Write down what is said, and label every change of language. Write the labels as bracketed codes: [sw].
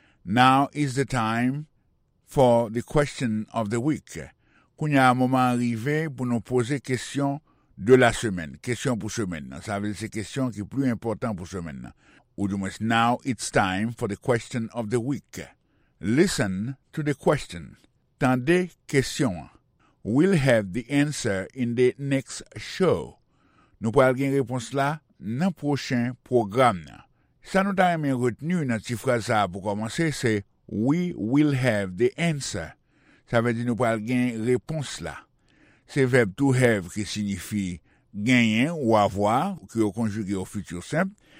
[en] Now is the time for the question of the week. [fr] Qu'on y a un moment arrivé pour nous poser question de la semaine, question pour semaine. Ça veut dire ces questions qui sont plus importantes pour semaine. Ou du moins, [en] now it's time for the question of the week. Listen to the question. [fr] Tendez question. [en] We'll have the answer in the next show. [fr] Nous pourrons avoir une réponse là dans le prochain programme. Ça nous a même retenu une petite phrase pour commencer, c'est [en] We will have the answer. [fr] Ça veut dire nous pourrons avoir une réponse là. C'est le verbe [en] to have [fr] qui signifie gagner ou avoir, qui est conjugué au futur simple.